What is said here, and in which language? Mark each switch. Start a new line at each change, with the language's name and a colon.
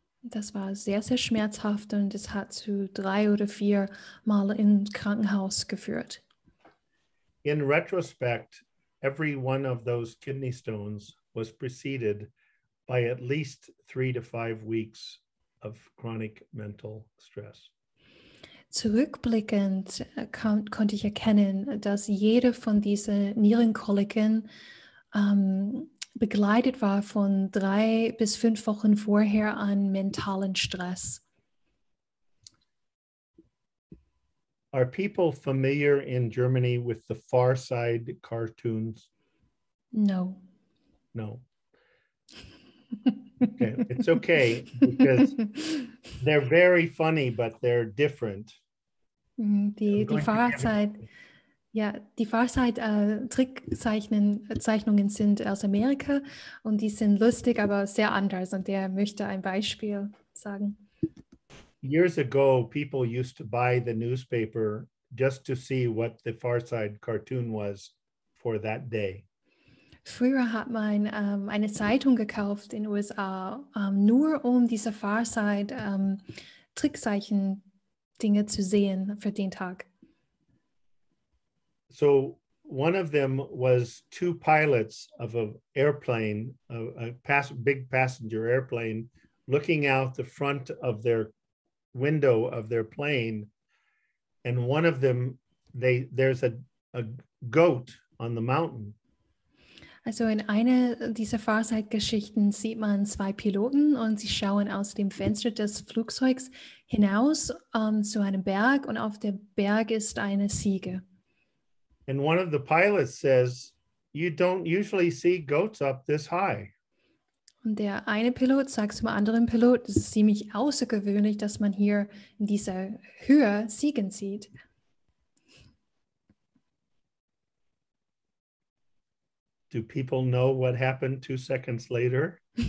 German: Das war sehr, sehr schmerzhaft und es hat zu 3 oder 4 Mal im Krankenhaus geführt.
English: In retrospect, every one of those kidney stones was preceded by at least 3 to 5 weeks of chronic mental stress.
German: Zurückblickend konnte ich erkennen, dass jede von diesen Nierenkoliken begleitet war von 3 bis 5 Wochen vorher an mentalen Stress.
English: Are people familiar in Germany with the Far Side cartoons? No. No. Okay. It's okay because they're very funny, but they're different.
German: Die Farzeichnungen sind aus Amerika und die sind lustig, aber sehr anders. Und der möchte ein Beispiel sagen.
English: Years ago, people used to buy the newspaper just to see what the Far Side cartoon was for that day.
German: Früher hat man eine Zeitung gekauft in den USA, nur um diese Far Side Trickzeichen-Dinge zu sehen für den Tag.
English: So one of them was 2 pilots of an airplane, big passenger airplane, looking out the front of their window of their plane. And one of them, there's a goat on the mountain.
German: Also in einer dieser Farside-Geschichten sieht man 2 Piloten und sie schauen aus dem Fenster des Flugzeugs hinaus zu einem Berg und auf dem Berg ist eine Ziege.
English: And one of the pilots says, "You don't usually see goats up this high."
German: Und der eine Pilot sagt zum anderen Pilot, es ist ziemlich außergewöhnlich, dass man hier in dieser Höhe Ziegen sieht.
English: Do people know what happened 2 seconds later?